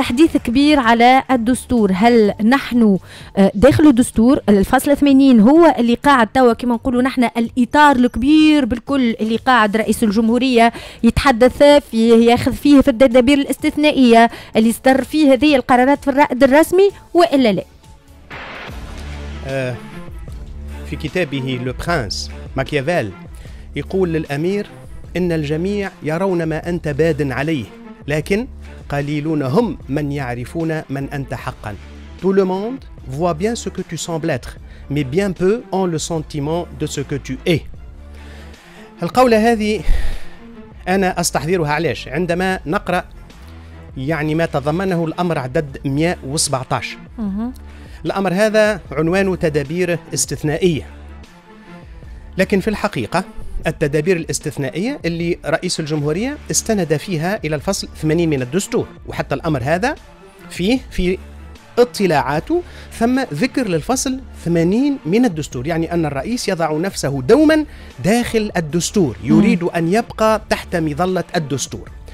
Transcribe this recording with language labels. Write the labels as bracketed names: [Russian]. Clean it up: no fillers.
[Arabic] حديث كبير على الدستور، هل نحن داخل الدستور؟ الفصل 80 هو اللي قاعد توا كما نقولوا نحن الاطار الكبير بالكل اللي قاعد رئيس الجمهوريه يتحدث فيه، ياخذ فيه في التدابير الاستثنائيه اللي يصدر فيه هذه القرارات في الرائد الرسمي والا لا؟ في كتابه لو برنس ماكيافيل يقول للأمير إن الجميع يرون ما أنت باد عليه، لكن قليلون هم من يعرفون من أنت حقا. [French] Tout le monde voit bien ce que tu sembles être, mais bien peu ont le sentiment de ce que tu es. [Arabic] القولة هذه أنا أستحضرها علاش؟ عندما نقرأ يعني ما تضمنه الأمر عدد 117. الأمر هذا عنوانه تدابير استثنائية، لكن في الحقيقة التدابير الاستثنائية اللي رئيس الجمهورية استند فيها إلى الفصل 80 من الدستور، وحتى الأمر هذا فيه في اطلاعاته ثم ذكر للفصل 80 من الدستور، يعني أن الرئيس يضع نفسه دوما داخل الدستور، يريد أن يبقى تحت مظلة الدستور.